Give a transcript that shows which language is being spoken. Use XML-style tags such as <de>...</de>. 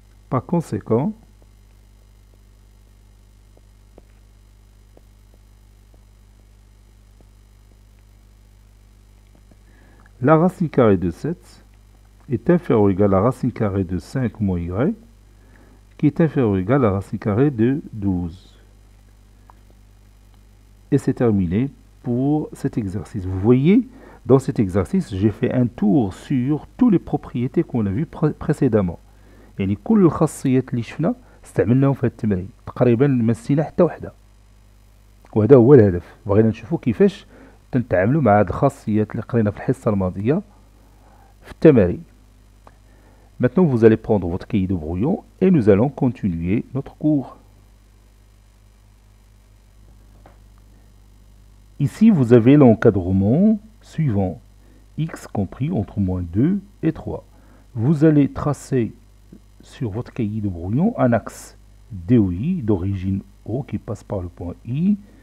<fr>Par conséquent, la racine carrée de 7 est inférieure ou égale à la racine carrée de 5 moins y, qui est inférieure ou égale à la racine carrée de 12. Et c'est terminé pour cet exercice. Vous voyez, dans cet exercice, j'ai fait un tour sur toutes les propriétés qu'on a vues précédemment. Et les</fr> <ar>كل الخاصيات اللي شفنا استعملناهم في التمرين تقريبا ما نسينا حتى وحده. وهذا هو الهدف. بغينا نشوفوا كيفاش تنتعاملوا مع هذه الخاصيات اللي قرينا في الحصة الماضية في التمارين.</ar> <fr>Maintenant vous allez prendre votre cahier de brouillon et nous allons continuer notre cours. Ici vous avez l'encadrement suivant. X compris entre moins 2 et 3. Vous allez tracer sur votre cahier de brouillon un axe DOI d'origine O qui passe par le point I.</fr>